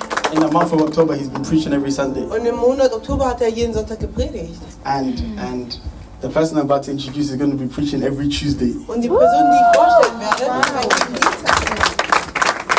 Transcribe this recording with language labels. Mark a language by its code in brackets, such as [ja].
[en] In the month of October, he's been preaching every Sunday. [de] Und im Monat Oktober hat jeden Sonntag gepredigt. [en] And the person I'm about to introduce is going to be preaching every Tuesday. [de] Und die Person, die ich vorstellen werde, wow.